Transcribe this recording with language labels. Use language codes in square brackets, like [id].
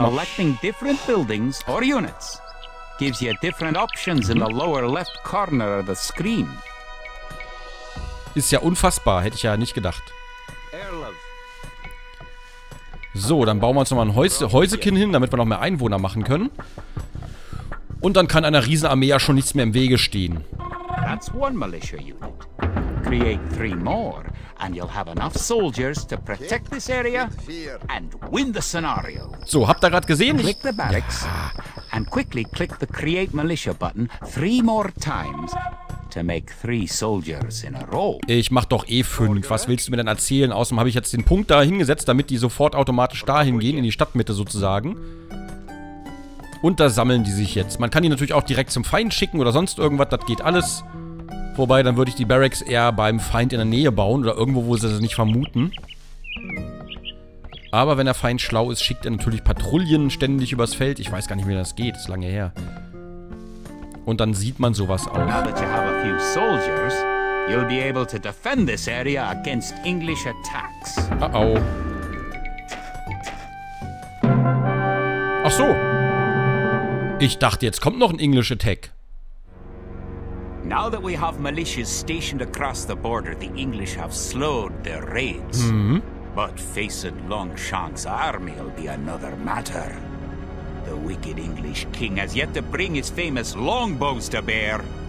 [de] mal... [en] Selecting different buildings or units. Gives you different options in the lower left corner of the screen. [de] Ist ja unfassbar, hätte ich ja nicht gedacht. So, dann bauen wir uns nochmal ein Häuschen hin, damit wir noch mehr Einwohner machen können. Und dann kann einer Riesenarmee ja schon nichts mehr im Wege stehen. [en] That's one militia unit. Create 3 more, and you'll have enough soldiers to protect this area and win the scenario. [de] So, habt ihr gerade gesehen? [en] Click the barracks and quickly click the create militia button 3 more times to make 3 soldiers in a row. [de] Ich mach doch 5. Was willst du mir denn erzählen? Außerdem habe ich jetzt den Punkt da hingesetzt, damit die sofort automatisch dahin gehen, in die Stadtmitte sozusagen. Und da sammeln die sich jetzt. Man kann die natürlich auch direkt zum Feind schicken oder sonst irgendwas, das geht alles. Wobei, dann würde ich die Barracks eher beim Feind in der Nähe bauen oder irgendwo, wo sie das nicht vermuten. Aber wenn der Feind schlau ist, schickt er natürlich Patrouillen ständig übers Feld. Ich weiß gar nicht, wie das geht, ist lange her. Und dann sieht man sowas auch. [en] Now that you have a few soldiers, you'll be able to defend this area against English attacks. Uh-oh. [de] Ach so. Ich dachte, jetzt kommt noch ein English Attack. [en] Now that we have militias stationed across the border, the English have slowed their raids. But facing Longshan's army will be another matter. The wicked English king has yet to bring his famous longbows to bear.